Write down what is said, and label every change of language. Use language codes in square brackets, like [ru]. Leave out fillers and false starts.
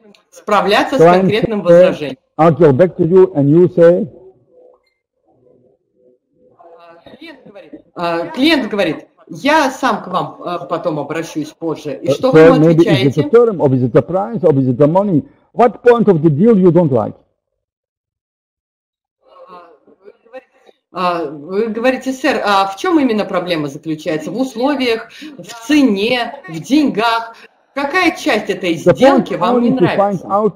[ru] Справляться с конкретным возражением. [en] I'll get back to you and you say... [ru] Клиент говорит... Я сам к вам потом обращусь позже. И что [en] so [ru] вы ему отвечаете? [en] Is it the term, or is it the price, or is it the money? What point of the deal you don't like? [ru] Вы говорите, сэр, а в чем именно проблема заключается? В условиях, в цене, в деньгах? Какая часть этой сделки вам не нравится?